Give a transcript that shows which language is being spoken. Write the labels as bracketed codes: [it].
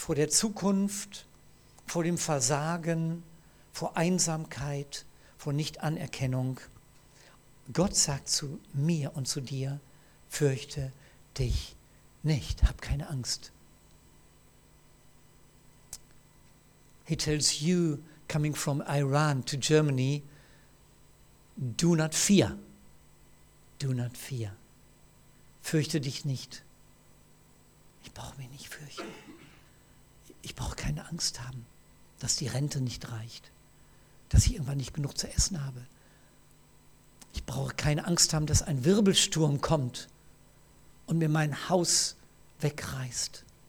[de] Vor der Zukunft, vor dem Versagen, vor Einsamkeit, vor Nichtanerkennung. Gott sagt zu mir und zu dir, fürchte dich nicht, hab keine Angst. [en] He tells you, coming from Iran to Germany, do not fear. Do not fear. [de] Fürchte dich nicht. Ich brauche mich nicht fürchten. Ich brauche keine Angst haben, dass die Rente nicht reicht, dass ich irgendwann nicht genug zu essen habe. Ich brauche keine Angst haben, dass ein Wirbelsturm kommt und mir mein Haus wegreißt.